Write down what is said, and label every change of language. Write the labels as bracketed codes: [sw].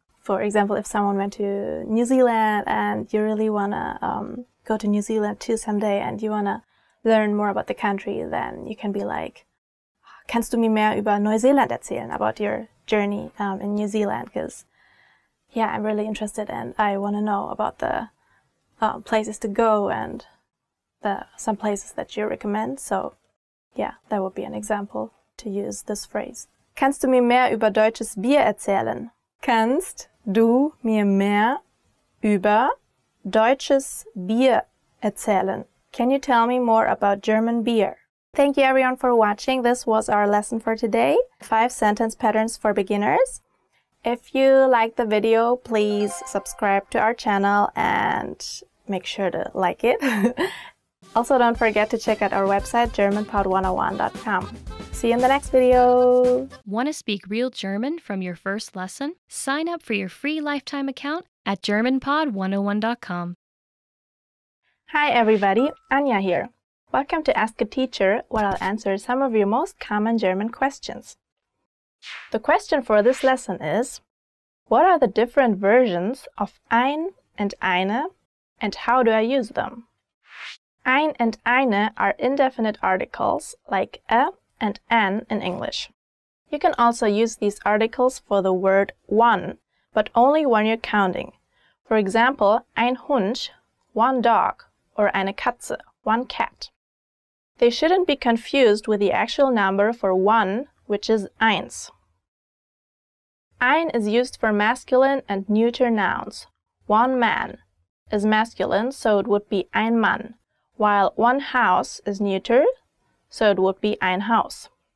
[en] For example, if someone went to New Zealand and you really want to go to New Zealand too someday and you want to learn more about the country, then you can be like, [de] kannst du mir mehr über Neuseeland erzählen, [en] about your journey in New Zealand? Because, yeah, I'm really interested and I want to know about the places to go and the some places that you recommend. So, yeah, that would be an example to use this phrase. [de] Kannst du mir mehr über deutsches Bier erzählen? Kannst du mir mehr über deutsches Bier erzählen? [en] Can you tell me more about German beer? Thank you everyone for watching. This was our lesson for today. 5 sentence patterns for beginners. If you like the video, please subscribe to our channel and make sure to like it. Also, don't forget to check out our website, germanpod101.com. See you in the next video. Want to speak real German from your first lesson? Sign up for your free lifetime account at germanpod101.com. Hi everybody, Anya here. Welcome to Ask a Teacher, where I'll answer some of your most common German questions. The question for this lesson is, what are the different versions of ein and eine, and how do I use them? Ein and eine are indefinite articles like a and an in English. You can also use these articles for the word one, but only when you're counting. For example, ein Hund, one dog, or eine Katze, one cat. They shouldn't be confused with the actual number for one, which is eins. Ein is used for masculine and neuter nouns. One man is masculine, so it would be ein Mann, while one house is neuter, so it would be ein Haus.